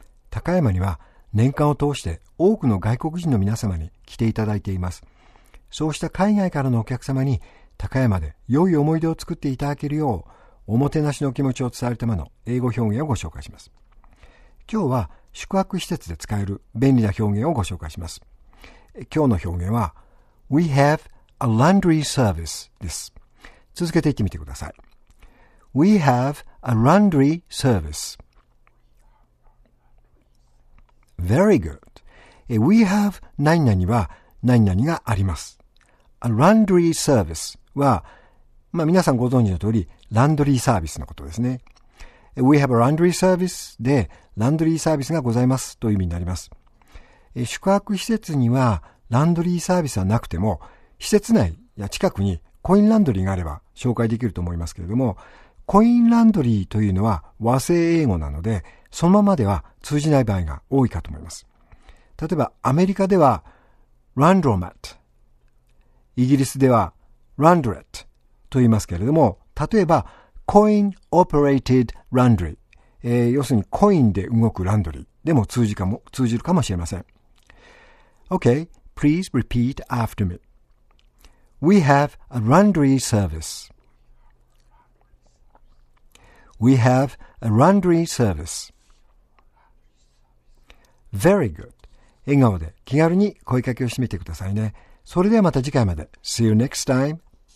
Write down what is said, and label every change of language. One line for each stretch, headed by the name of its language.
Japanese: 高山には年間を通して多くの外国人の皆様に来ていただいています。そうした海外からのお客様に高山で良い思い出を作っていただけるよう、おもてなしの気持ちを伝えるための英語表現をご紹介します。今日は宿泊施設で使える便利な表現をご紹介します。今日の表現は、
English: We have a laundry service
Japanese: です。続けて言ってみてください。
English: We have a laundry service. Very good. We have
Japanese: 何々は何々があります。
English: A laundry service
Japanese: は、まあ皆さんご存知の通り、ランドリーサービスのことですね。
English: We have a laundry service
Japanese: で、ランドリーサービスがございますという意味になります。宿泊施設にはランドリーサービスはなくても、施設内や近くにコインランドリーがあれば紹介できると思いますけれども、コインランドリーというのは和製英語なので、そのままでは通じない場合が多いかと思います。例えば、アメリカでは、ランドロマット。イギリスでは、ランドレットと言いますけれども、例えば、コインオペレーティッドランドリー。要するに、コインで動くランドリーでも通じるかもしれません。
English: Okay, please repeat after me. We have a laundry service. We have a laundry service. Very good.
Japanese: 笑顔で気軽に声かけをしてみてくださいね。それではまた次回まで。
English: See you next time.